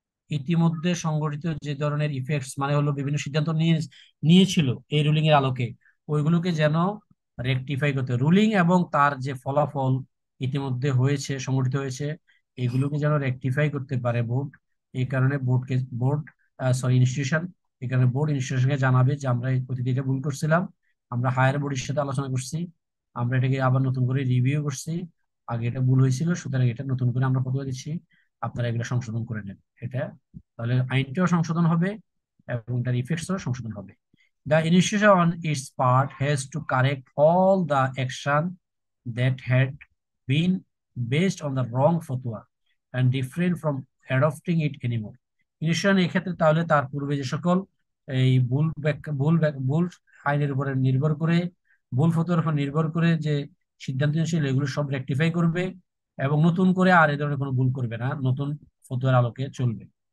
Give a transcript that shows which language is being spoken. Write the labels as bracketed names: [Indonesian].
[Bangla] ইতিমধ্যে সংঘটিত যে ধরনের ইফেক্টস, মানে হলো বিভিন্ন সিদ্ধান্ত নিয়েছিল এই রুলিং এর আলোকে, ওইগুলোকে যেন রেকটিফাই করতে, রুলিং এবং তার যে ফলাফল ইতিমধ্যে হয়েছে সংঘটিত হয়েছে এগুলোকে যেন রেকটিফাই করতে পারে বোর্ড, এই কারণে বোর্ডকে বোর্ড সরি ইনস্টিটিউশন এই কারণে বোর্ড ইনস্টিটিউশনকে জানাবে যে আমরা এই প্রতিটি ভুল করছিলাম, আমরা হায়ার বডির সাথে আলোচনা করছি, আমরা এটাকে আবার নতুন করে রিভিউ করছি, আগে এটা ভুল হয়েছিল সুতরাং এটা নতুন করে আমরা ফতোয়া দিচ্ছি, আপনারা এগুলো সংশোধন করে নেন, এটা তাহলে আইনটাও সংশোধন হবে এবং তার ইফেক্টসও সংশোধন হবে। [English] The initiation on its part has to correct all the action that had been based on the wrong fatwa and refrain from adopting it anymore. [Bangla] Initiation ekhetre tahole tar purbe je sokol ei bhul bhul bhul আইনের উপরে নির্ভর করে ভুল ফতোয়ার উপর নির্ভর করে যে সিদ্ধান্ত নিয়েছিল এগুলো সব রেকটিফাই করবে এবং নতুন করে আর এ ধরনের কোনো ভুল করবে না, নতুন ফতোয়ার আলোকে চলবে।